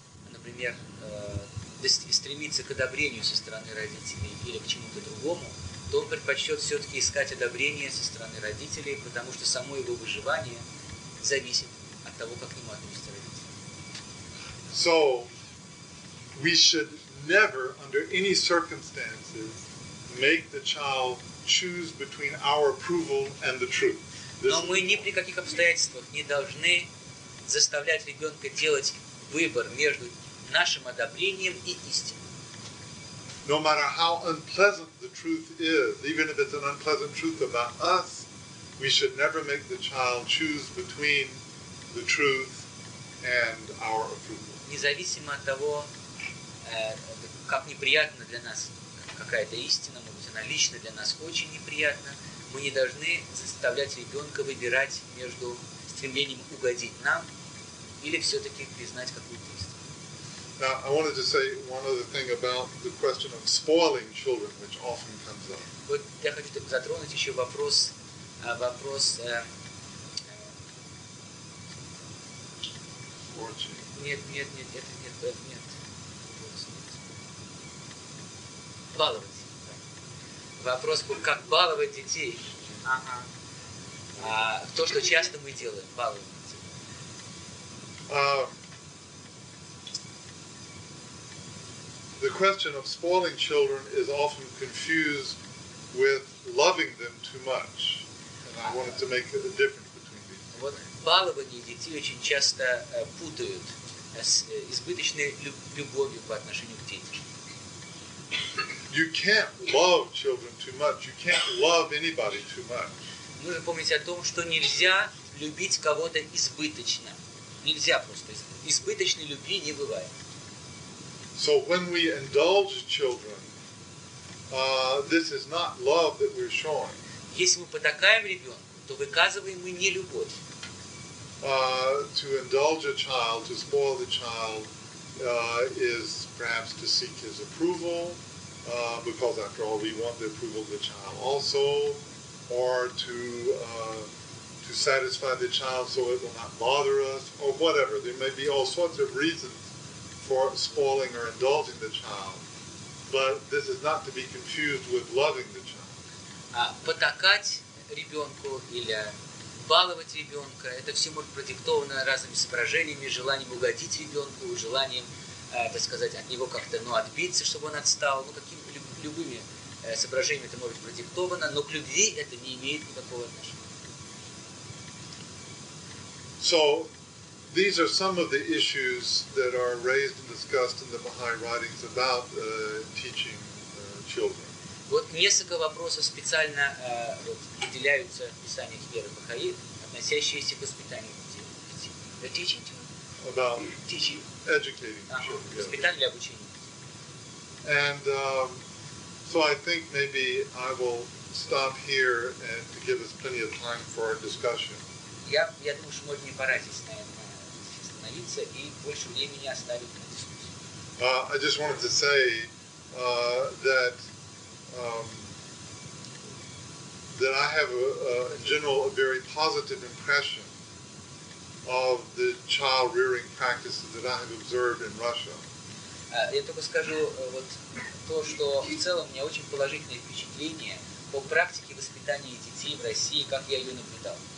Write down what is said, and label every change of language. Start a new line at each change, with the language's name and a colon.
Russian: Например, стремиться к одобрению со стороны родителей или к чему-то другому, то он предпочтет все-таки искать одобрение со стороны родителей, потому что само его выживание зависит от того, как к нему относятся родители.
English: So, we should never, under any circumstances, make the child choose between our approval and the truth.
Russian: Но мы ни при каких обстоятельствах не должны заставлять ребенка делать выбор между нашим одобрением и истиной.
English: No matter how unpleasant the truth is, even if it's an unpleasant truth about us, we should never make the child choose between the truth and our approval.
Russian: Независимо от того, как неприятно для нас какая-то истина, может быть, она лично для нас очень неприятна, мы не должны заставлять ребенка выбирать между стремлением угодить нам или все-таки признать какую-то истину.
English: Now, I wanted to say one other thing about the question of spoiling children, which often comes up.
Russian: Вот я хочу затронуть еще вопрос, Вопрос, как баловать детей. Ага. То, что часто мы делаем, баловать детей.
English: The question of spoiling children is often confused with loving them too much. And I wanted to make the difference between these two.
Russian: Вот балование детей очень часто путают с избыточной любовью по отношению к детям.
English: You can't love children too much. You can't love anybody too much.
Russian: Нужно помнить о том, что нельзя любить кого-то избыточно. Нельзя просто. Избыточной любви не бывает.
English: So when we indulge children, this is not love that we're showing.
Russian: Если мы потакаем ребенку, то выказываем мы не любовь.
English: To indulge a child, to spoil the child, is perhaps to seek his approval, because after all, we want the approval of the child also, or to satisfy the child so it will not bother us, or whatever. There may be all sorts of reasons for spoiling or indulging the child, but this is not to be confused with loving the child.
Russian: Потакать ребенку или баловать ребенка – это все может продиктовано разными соображениями, желанием угодить ребенку, желанием, так сказать, от него как-то, ну, отбиться, чтобы он отстал, ну, любыми соображениями это может быть продиктовано, но к любви это не имеет никакого отношения.
English: So, these are some of the issues that are raised and discussed in the Baha'i writings about teaching children.
Russian: Вот несколько вопросов специально выделяются в писаниях Веры Бахаи, относящиеся к воспитанию детей.
English: Teaching children. About teaching. Educating children.
Russian: Воспитание для обучения.
English: And so I think maybe I will stop here and to give us plenty of time for our discussion.
Russian: Я думаю, что можно не пора здесь, наверное.
English: I just wanted to say that that I have, in general, a very positive impression of the child rearing practices that I have observed in Russia.
Russian: Я только скажу вот то, что в целом у меня очень положительное впечатление по практике воспитания детей в России, как я ее наблюдал.